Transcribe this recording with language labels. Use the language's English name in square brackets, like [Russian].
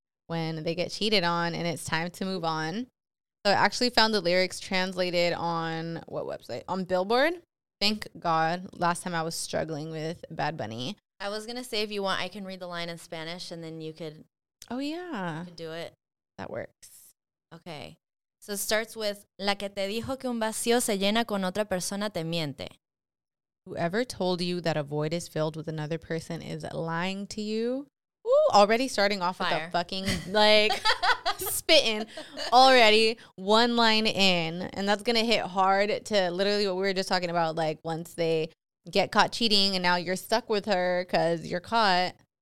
[English] When they get cheated on and it's time to move on. So I actually found the lyrics translated on what website? On Billboard. Thank God. Last time I was struggling with Bad Bunny. I was going to say if you want, I can read the line in Spanish and then you could. Oh, yeah. You could do it. That works. Okay. So it starts with, [Spanish] la que te dijo que un vacío se llena con otra persona te miente. [English] Whoever told you that a void is filled with another person is lying to you. Ooh, already starting off fire. With a fucking, like, spitting already one line in. And that's going to hit hard to literally what we were just talking about. Like, once they get caught cheating and now you're stuck with her because you're caught.